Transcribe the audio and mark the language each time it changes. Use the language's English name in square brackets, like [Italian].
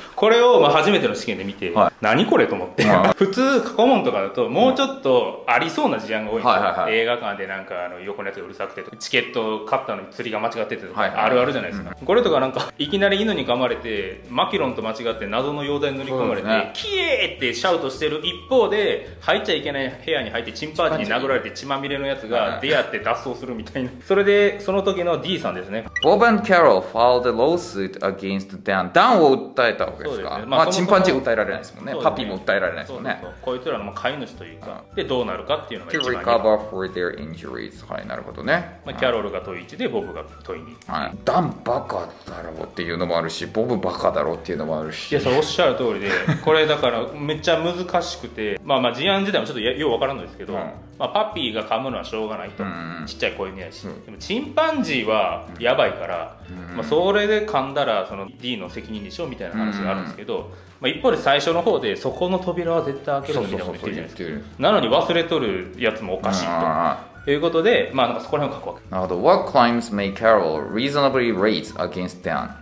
[Japanese] これをまあ初めての試験で見て、はい、何これと思って。はい、普通、過去問とかだと、もうちょっとありそうな事案が多いんですよ。はいはいはい、映画館でなんかあの横のやつがうるさくてとか、チケット買ったのに釣りが間違っててとか、はいはいはい、あるあるじゃないですか。うん、これとかなんか、いきなり犬に噛まれて、マキロンと間違って謎の溶剤に塗り込まれて、ね、キエーってシャウトしてる一方で、入っちゃいけない部屋に入ってチンパンジーに殴られて血まみれのやつが出会って脱走するみたいな。それでその時の D さんですね。 [English] Bob and Carol filed a lawsuit against Dan。 [Japanese] ダンを訴えたわけですか。です、ね、まあ、チンパンジー訴えられないですもんね。パピーも訴えられないですもんね。こいつらの飼い主というか、でどうなるかっていうのが一番に。 [English] To recover for their injuries。 [Japanese] はい、なるほどね。まあ、キャロルが問い1で、ボブが問い2、はい、ダンバカだろうっていうのもあるし、ボブバカだろうっていうのもあるし、いや、それおっしゃる通りで、これだからめっちゃ難しくて、まあまあ事案自体もちょっとよう分からんのですけど、うん、まあ、パピーが噛むのはしょうがないと、うん、ちっちゃい子犬やし、うん、でもチンパンジーはやばいから、うん、まあ、それで噛んだらその D の責任でしょみたいな話があるんですけど、うん、まあ、一方で最初の方でそこの扉は絶対開けるみたいなこと言ってるじゃないですか。なのに忘れとるやつもおかしいと、うん、ということで、まあ、なんかそこら辺を書くわけ。なるほど。 [English] What claims may Carol reasonably raise against Dan?